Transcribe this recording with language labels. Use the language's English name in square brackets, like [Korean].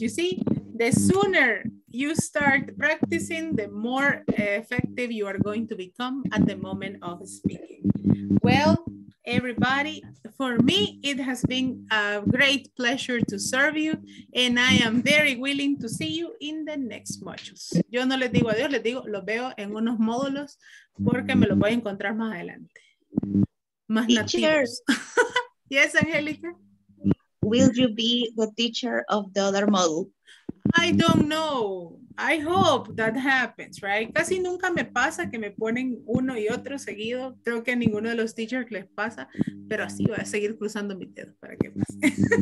[English] You see, the sooner you start practicing, the more effective you are going to become at the moment of speaking. Well, everybody, for me, it has been a great pleasure to serve you, and I am very willing to see you in the next modules. [Spanish] Yo no les digo adiós, les digo, los veo en unos módulos porque me los voy a encontrar más adelante. Más nativos. [English] Yes, [Spanish] Angelica. [English] Will you be the teacher of the other module? I don't know. I hope that happens, right? [Spanish] Casi nunca me pasa que me ponen uno y otro seguido. Creo que a ninguno de los teachers les pasa, pero así voy a seguir cruzando mis dedos para que pase.